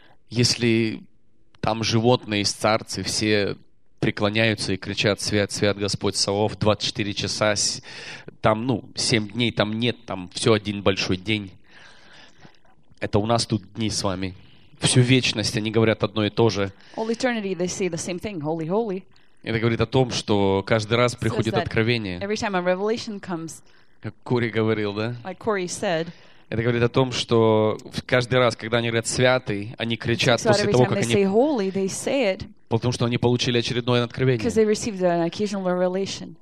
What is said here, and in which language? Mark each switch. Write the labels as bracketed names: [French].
[Russian] Если там животные из царцы, все преклоняются и кричат: «Свят, свят Господь Саваоф», 24 часа, там, ну, 7 дней там нет, там все один большой день. Это у нас тут дни с вами. Всю вечность они говорят одно и то же. [English] All eternity they say the same thing, holy, holy. [Russian] Это говорит о том, что каждый раз приходит откровение. [English] Every time a revelation comes, [Russian] как Кори говорил, да? [English] Like Corey said, [Russian] это говорит о том, что каждый раз, когда они говорят «святый», они кричат после того, как они... Потому что они получили очередное откровение.